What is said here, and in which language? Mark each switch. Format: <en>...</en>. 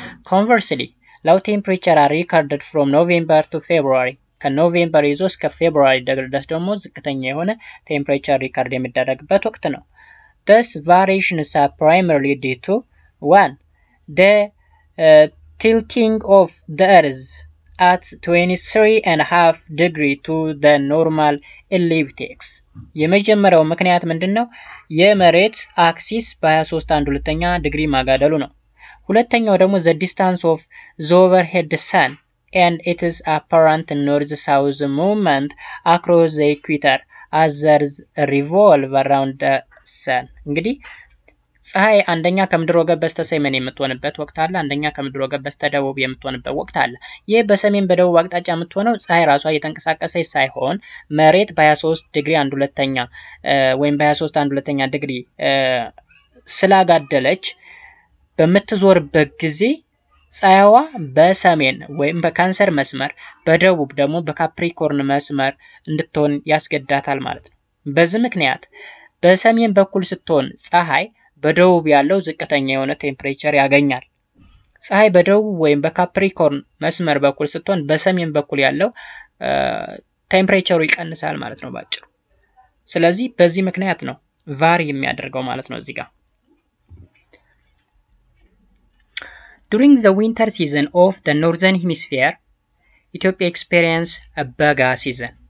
<en>ኮንቨርስሊ ላው ቴምፕሬቸር አር ሪከርድድ ፍሮም ኖቬምበር ቱ ፌብሩዋሪ።</en> <am>ከኖቬምበር ይዞ እስከ ፌብሩዋሪ ድረስ ደግሞ ዝቅተኛ የሆነ ቴምፕሬቸር ሪከርድ የሚደረግበት ወቅት ነው።</am> <en>this variation is primarily due to 1 the tilting of the earth at 23.5 degree to the normal ecliptic.</en> <am>የመጀመሪያው ምክንያት ምንድነው? የመሬት አክሲስ በ23 አንድ ሁለተኛ ዲግሪ ማጋደሉ ነው። ሁለተኛው ደግሞ</am> <en>the distance of the overhead sun and its apparent north-south movement across the equator as it revolves around the sun.</en> <am>እንግዲህ ፀሐይ አንደኛ ከምድር ወገብ በስተሰሜን የምትሆንበት ወቅት አለ፣ አንደኛ ከምድር ወገብ በስተደቡብ የምትሆንበት ወቅት አለ። ይህ በሰሜን በደቡብ አቅጣጫ የምትሆነው ፀሐይ ራሷ የተንቀሳቀሰች ሳይሆን መሬት በ23 ዲግሪ አንድ ሁለተኛ ወይም በ23 አንድ ሁለተኛ ዲግሪ ስላጋደለች በምትዞርበት ጊዜ ፀሐይዋ በሰሜን ወይም በካንሰር መስመር በደቡብ ደግሞ በካፕሪኮርን መስመር እንድትሆን ያስገድዳታል ማለት ነው። በዚህ ምክንያት በሰሜን በኩል ስትሆን ፀሐይ በደቡብ ያለው ዝቅተኛ የሆነ ቴምፕሬቸር ያገኛል። ፀሐይ በደቡብ ወይም በካፕሪኮርን መስመር በኩል ስትሆን በሰሜን በኩል ያለው ቴምፕሬቸሩ ይቀንሳል ማለት ነው ባጭሩ። ስለዚህ በዚህ ምክንያት ነው ቫሪ የሚያደርገው ማለት ነው እዚህ ጋር።</am> <en>During the winter season of the northern hemisphere, Ethiopia experiences a baga season.</en>